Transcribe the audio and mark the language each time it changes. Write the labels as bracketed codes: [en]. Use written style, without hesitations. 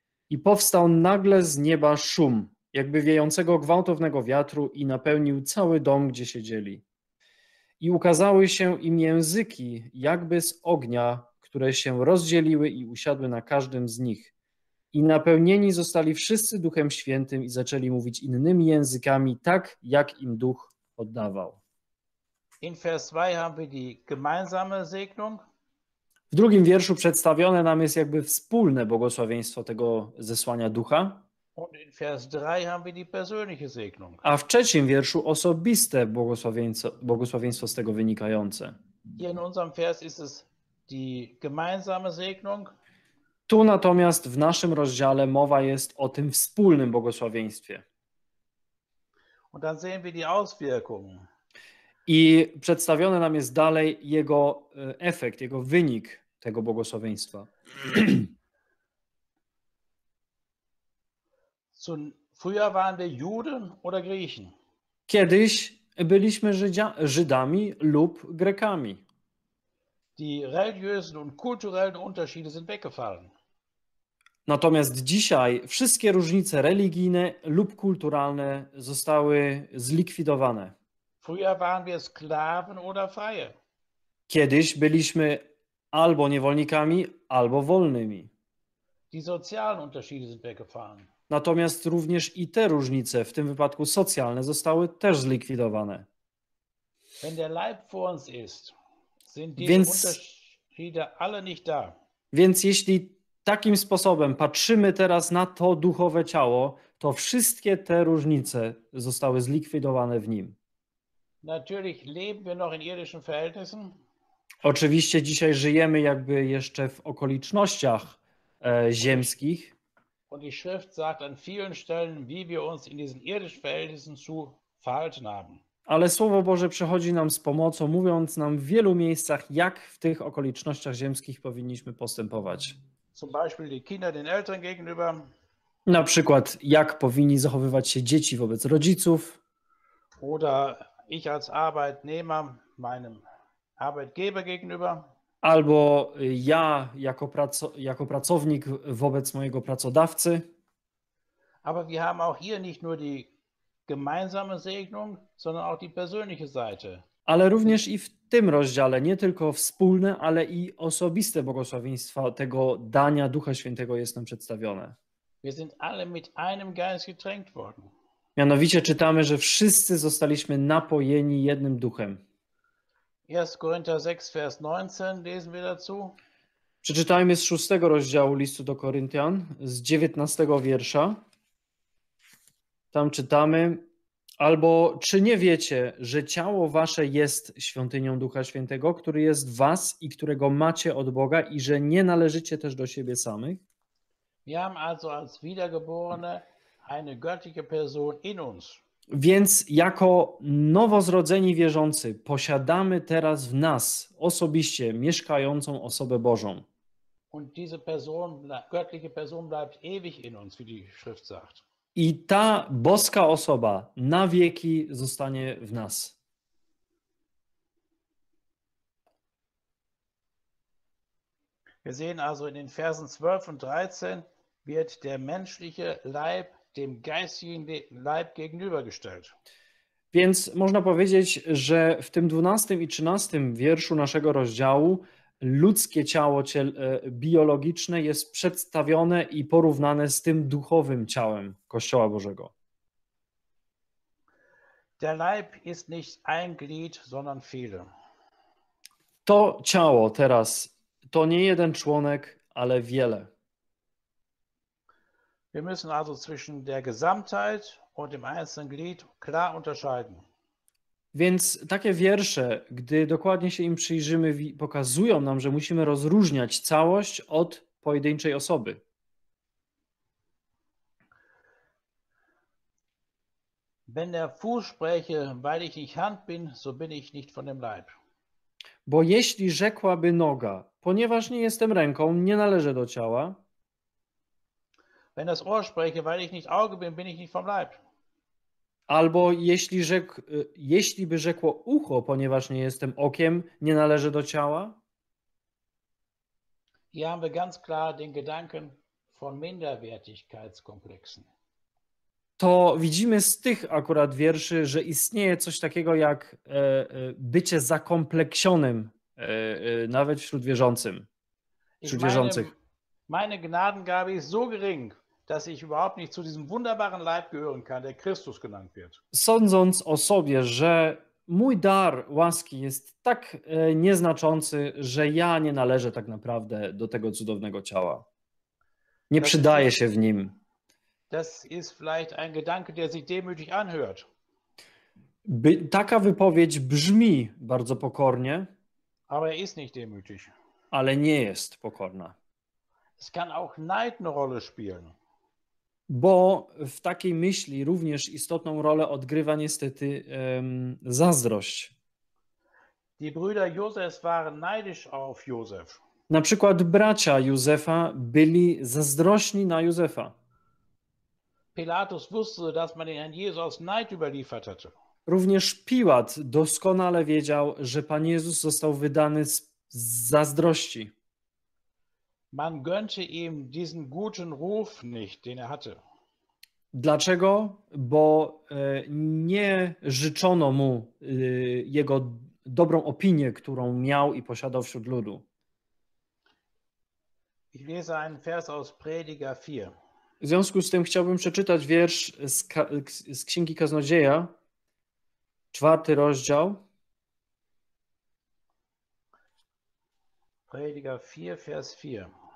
[pl] I powstał nagle z nieba szum, jakby wiejącego gwałtownego wiatru i napełnił cały dom, gdzie siedzieli. I ukazały się im języki, jakby z ognia, które się rozdzieliły i usiadły na każdym z nich. I napełnieni zostali wszyscy Duchem Świętym i zaczęli mówić innymi językami, tak jak im Duch oddawał. [de] In Vers 2 haben wir die gemeinsame Segnung. [pl] W 2 wierszu przedstawione nam jest jakby wspólne błogosławieństwo tego zesłania ducha. [de] Und in Vers 3 haben wir die persönliche Segnung. [pl] A w 3 wierszu osobiste błogosławieństwo z tego wynikające. [de] Hier in unserem Vers ist es die gemeinsame Segnung. [pl] Tu natomiast w naszym rozdziale mowa jest o tym wspólnym błogosławieństwie. [de] Und dann sehen wir die Auswirkungen. [pl] I przedstawiony nam jest dalej jego efekt, jego wynik tego błogosławieństwa. [de] Früher waren wir Juden oder Griechen. [pl] Kiedyś byliśmy Żydami lub Grekami. [de] Die religiösen und kulturellen Unterschiede sind weggefallen. [pl] Natomiast dzisiaj wszystkie różnice religijne lub kulturalne zostały zlikwidowane. [de] Früher waren wir Sklaven oder Freie. [pl] Kiedyś byliśmy albo niewolnikami, albo wolnymi. [de] Die sozialen Unterschiede sind weggefallen. [pl] Natomiast również i te różnice, w tym wypadku socjalne, zostały też zlikwidowane. [de] Wenn der Leib vor uns ist, sind diese Unterschiede alle nicht da. [pl] Więc jeśli takim sposobem patrzymy teraz na to duchowe ciało, to wszystkie te różnice zostały zlikwidowane w nim. [de] Natürlich leben wir noch in irdischen Verhältnissen. [pl] Oczywiście dzisiaj żyjemy jakby jeszcze w okolicznościach ziemskich. [de] Und die Schrift sagt an vielen Stellen, wie wir uns in diesen irdischen Verhältnissen zu verhalten haben. [pl] Ale Słowo Boże przychodzi nam z pomocą, mówiąc nam w wielu miejscach, jak w tych okolicznościach ziemskich powinniśmy postępować. [de] Zum Beispiel die Kinder den Eltern gegenüber. [pl] Na przykład, jak powinni zachowywać się dzieci wobec rodziców. [de] Oder ich als Arbeitnehmer meinem Arbeitgeber gegenüber. [pl] Albo ja jako, jako pracownik wobec mojego pracodawcy. [de] Aber wir haben auch hier nicht nur die gemeinsame Segnung, sondern auch die persönliche Seite. [pl] Ale również i w tym rozdziale, nie tylko wspólne, ale i osobiste błogosławieństwa tego dania Ducha Świętego jest nam przedstawione. [de] Wir sind alle mit einem Geist getränkt worden. [pl] Mianowicie czytamy, że wszyscy zostaliśmy napojeni jednym duchem. [de] 1 Korinther 6, Vers 19 lesen wir dazu. [pl] Przeczytajmy z 6 rozdziału listu do Koryntian, z 19 wiersza. Tam czytamy, albo czy nie wiecie, że ciało wasze jest świątynią Ducha Świętego, który jest w was i którego macie od Boga i że nie należycie też do siebie samych? [de] Wir haben also als Wiedergeborene eine göttliche Person in uns. [pl] Więc jako nowozrodzeni wierzący posiadamy teraz w nas osobiście mieszkającą osobę Bożą. [de] Und diese Person, göttliche Person bleibt ewig in uns, wie die Schrift sagt. [pl] I ta boska osoba na wieki zostanie w nas. [de] Wir sehen also in den Versen 12 und 13 wird der menschliche Leib dem geistigen Leib gegenübergestellt. [pl] Więc można powiedzieć, że w tym 12 i 13 wierszu naszego rozdziału ludzkie ciało biologiczne jest przedstawione i porównane z tym duchowym ciałem Kościoła Bożego. [de] Der Leib ist nicht ein Glied, sondern viele. [pl] To ciało teraz to nie jeden członek, ale wiele. [de] Wir müssen also zwischen der Gesamtheit und dem einzelnen Glied klar unterscheiden. [pl] Więc takie wiersze, gdy dokładnie się im przyjrzymy, pokazują nam, że musimy rozróżniać całość od pojedynczej osoby. [de] Wenn der Fuß spreche, weil ich nicht Hand bin, so bin ich nicht von dem Leib. [pl] Bo jeśli rzekłaby noga, ponieważ nie jestem ręką, nie należę do ciała. [de] Wenn das Ohr spreche, weil ich nicht Auge bin, bin ich nicht vom Leib. [pl] Albo jeśli by rzekło ucho, ponieważ nie jestem okiem, nie należy do ciała? [de] Hier haben wir ganz klar den Gedanken von Minderwertigkeitskomplexen. [pl] To widzimy z tych akurat wierszy, że istnieje coś takiego jak bycie zakompleksionym, nawet wśród wierzącym, wśród wierzących. [de] Meine Gnadengabe ist so gering, dass ich überhaupt nicht zu diesem wunderbaren Leib gehören kann, der Christus genannt wird. [pl] Sądząc o sobie, że mój dar łaski jest tak nieznaczący, że ja nie należę tak naprawdę do tego cudownego ciała. Nie przydaje się w nim. [de] Das ist vielleicht ein Gedanke, der sich demütig anhört. [pl] Taka wypowiedź brzmi bardzo pokornie. [de] Aber er ist nicht demütig. [pl] Ale nie jest pokorna. [de] Es kann auch Neid eine Rolle spielen. [pl] Bo w takiej myśli również istotną rolę odgrywa niestety zazdrość. [de] Die Brüder Josefs waren neidisch auf Josef. [pl] Na przykład bracia Józefa byli zazdrośni na Józefa. [de] Pilatus wusste, dass man den Herrn Jesus neid überliefert hatte. [pl] Również Piłat doskonale wiedział, że Pan Jezus został wydany z zazdrości. [de] Man gönnte ihm diesen guten Ruf nicht, den er hatte. [pl] Dlaczego? Bo nie życzono mu jego dobrą opinię, którą miał i posiadał wśród ludu. [de] Ich lese einen Vers aus Prediger 4. [pl] W związku z tym chciałbym przeczytać wiersz z Księgi Kaznodzieja, 4 rozdział. [de] Prediger 4, Vers 4.